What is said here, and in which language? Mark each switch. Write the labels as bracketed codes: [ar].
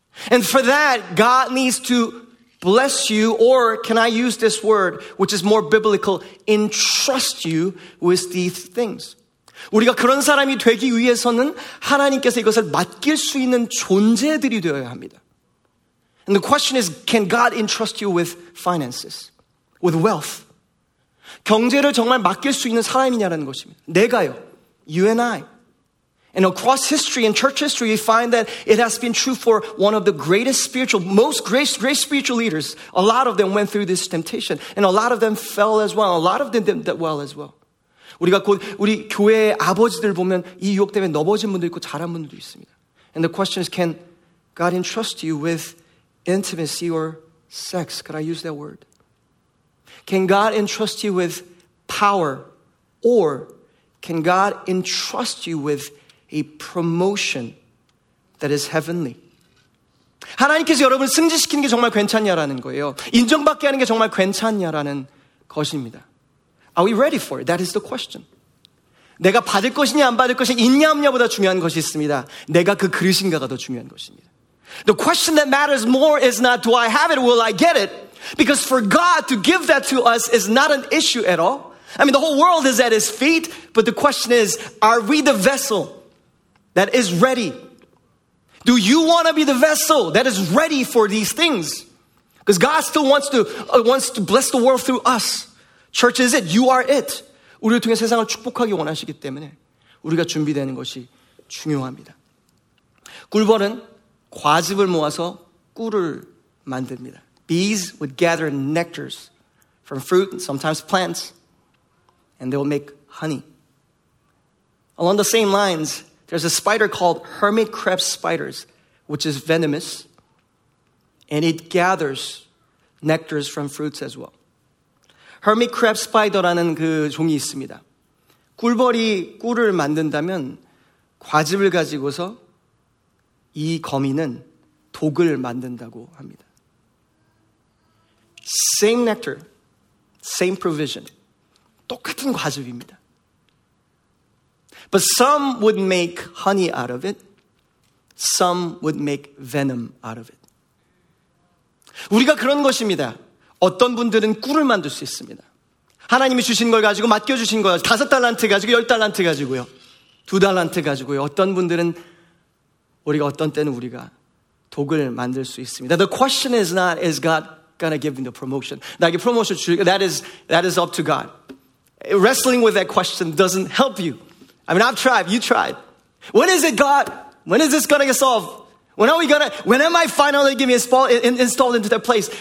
[en] And for that, God needs to bless you, or can I use this word, which is more biblical, entrust you with these things. [ko] 우리가 그런 사람이 되기 위해서는 하나님께서 이것을 맡길 수 있는 존재들이 되어야 합니다. [en] And the question is, can God entrust you with finances, with wealth? [ko] 경제를 정말 맡길 수 있는 사람이냐라는 것입니다. 내가요, [en] you and I. And across history and church history, you find that it has been true for one of the greatest spiritual, most great spiritual leaders. A lot of them went through this temptation. And a lot of them fell as well. A lot of them did well as well. [ko] 우리가 곧 우리 교회의 아버지들 보면 이 유혹 때문에 넘어진 분도 있고 잘한 분도 있습니다. [en] And the question is, can God entrust you with intimacy or sex? Could I use that word? Can God entrust you with power? Or can God entrust you with a promotion that is heavenly? [ko] 하나님께서 여러분을 승진시키는 게 정말 괜찮냐라는 거예요. 인정받게 하는 게 정말 괜찮냐라는 것입니다. [en] Are we ready for it? That is the question. [ko] 내가 받을 것이냐 안 받을 것이냐 있냐 없냐보다 중요한 것이 있습니다. 내가 그 그릇인가가 더 중요한 것입니다. [en] The question that matters more is not do I have it, will I get it? Because for God to give that to us is not an issue at all. I mean, the whole world is at his feet, but the question is, are we the vessel that is ready? Do you want to be the vessel that is ready for these things? Because God still wants to bless the world through us. Church is it. You are it. [ko] 우리를 통해 세상을 축복하기 원하시기 때문에 우리가 준비되는 것이 중요합니다. 꿀벌은 과즙을 모아서 꿀을 만듭니다. [en] Bees would gather nectars from fruit and sometimes plants, and they will make honey. Along the same lines, there's a spider called hermit crab spiders, which is venomous, and it gathers nectars from fruits as well. [ko] Hermit crab spider라는 그 종이 있습니다. 꿀벌이 꿀을 만든다면 과즙을 가지고서 이 거미는 독을 만든다고 합니다. [en] Same nectar, same provision. [ko] 똑같은 과즙입니다. [en] But some would make honey out of it. Some would make venom out of it. [ko] 우리가 그런 것입니다. 어떤 분들은 꿀을 만들 수 있습니다. 하나님이 주신 걸 가지고 맡겨주신 거예요. 다섯 달란트 가지고 열 달란트 가지고요. 두 달란트 가지고요. 어떤 분들은 우리가 어떤 때는 우리가 독을 만들 수 있습니다. [en] The question is not, is God gonna give me the promotion? [ko] 나에게 promotion 주실까? [en] That is up to God. Wrestling with that question doesn't help you. I mean, I've tried. You tried. When is it God? When is this gonna get solved? When am I finally gonna be installed into that place?